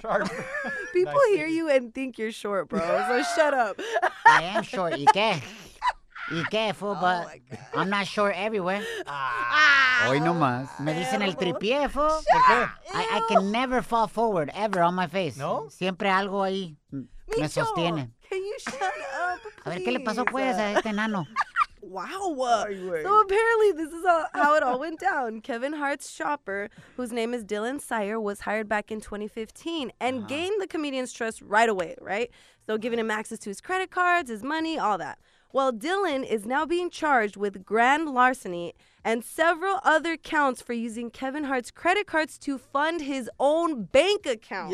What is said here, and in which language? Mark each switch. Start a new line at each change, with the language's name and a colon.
English: Sharp. People hear you and think you're short, bro. So shut up. I am short. But I'm not short everywhere.
Spanish: Hoy no más. Me dicen el tripié, fo.
English: I can never fall forward ever on my face. No.
Spanish: Siempre algo ahí me sostiene.
English: Can you shut up, please?
Spanish: A ver qué le pasó pues a este enano. Wow.
English: So apparently this is how it all went down. Kevin Hart's shopper, whose name is Dylan Sire, was hired back in 2015 and gained the comedian's trust right away, right? So giving him access to his credit cards, his money, all that. Well, Dylan is now being charged with grand larceny and several other counts for using Kevin Hart's credit cards to fund his own bank account.